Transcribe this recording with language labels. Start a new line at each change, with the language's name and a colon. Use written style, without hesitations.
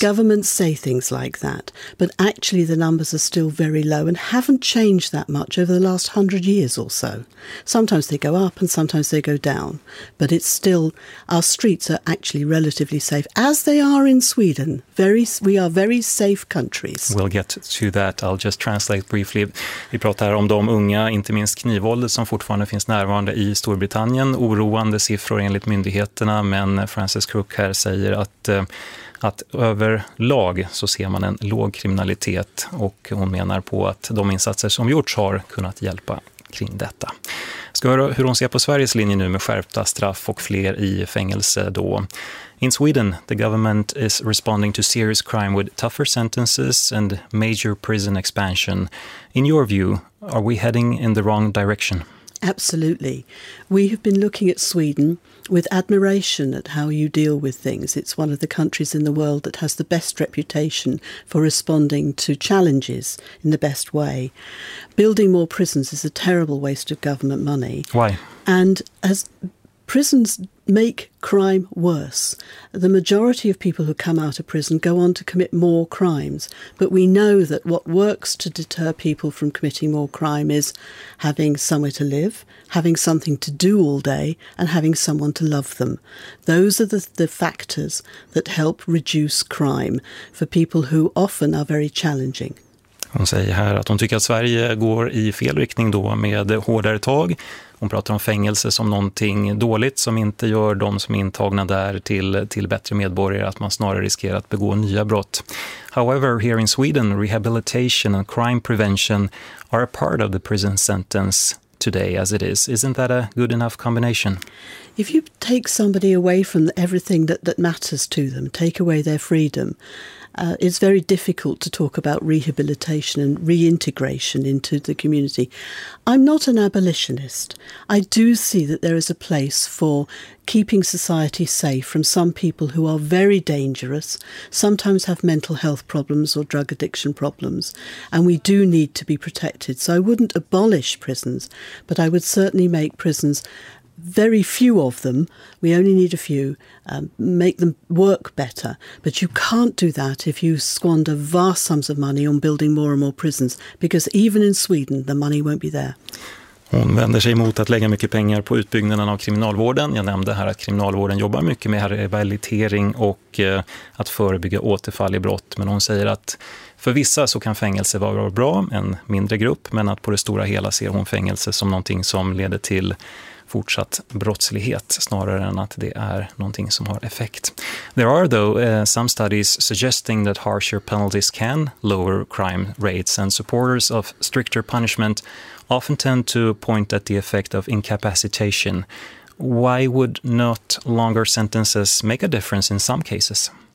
English: Governments say things like that, but actually the numbers are still very low and haven't changed that much over the last 100 years or so. Sometimes they go up and sometimes they go down, but it's still, our streets are actually relatively safe, as they are in Sweden. We are very safe countries. We'll get to that. I'll just translate briefly.
Swedish: Vi pratar om de unga, inte minst knivvåldet som fortfarande finns närvarande i Storbritannien. Oroande siffror enligt myndigheterna, men Francis Crook här säger att överlag så ser man en låg kriminalitet, och hon menar på att de insatser som gjorts har kunnat hjälpa kring detta. Ska höra hur hon ser på Sveriges linje nu med skärpta straff och fler i fängelse då.
English: In Sweden, the government is responding to serious crime with tougher sentences and major prison expansion. In your view, are we heading in the wrong direction? Absolutely. We have been looking at Sweden with admiration at how you deal with things. It's one of the countries in the world that has the best reputation for responding to challenges in the best way. Building more prisons is a terrible waste of government money. Why? And as prisons make crime worse. The majority of people who come out of prison go on to commit more crimes. But we know that what works to deter people from committing more crime is having somewhere to live, having something to do all day, and having someone to love them. Those are the factors that help reduce crime for people who often are very challenging.
Swedish: Hon säger här att hon tycker att Sverige går i fel riktning då med hårdare tag. Hon pratar om fängelse som någonting dåligt som inte gör de som är intagna där till bättre medborgare, att man snarare riskerar att begå nya brott.
English: However, here in Sweden, rehabilitation and crime prevention are a part of the prison sentence today as it is. Isn't that a good enough combination? If you take somebody away from everything that matters to them, take away their freedom, it's very difficult to talk about rehabilitation and reintegration into the community. I'm not an abolitionist. I do see that there is a place for keeping society safe from some people who are very dangerous, sometimes have mental health problems or drug addiction problems, and we do need to be protected. So I wouldn't abolish prisons, but I would certainly make prisons, very few of them, we only need a few, make them work better. But you can't do that if you squander vast sums of money on building more and more prisons, because even in Sweden, the money won't be there.
Swedish: Hon vänder sig mot att lägga mycket pengar på utbyggnaden av kriminalvården. Jag nämnde här att kriminalvården jobbar mycket med rehabilitering och att förebygga återfall i brott. Men hon säger att för vissa så kan fängelse vara bra, en mindre grupp, men att på det stora hela ser hon fängelse som någonting som leder till fortsatt brottslighet snarare än att det är någonting som har effekt.
English: There are though some studies suggesting that harsher penalties can lower crime rates, and supporters of stricter punishment often tend to point at the effect of incapacitation. Why would not longer sentences make a difference in some cases?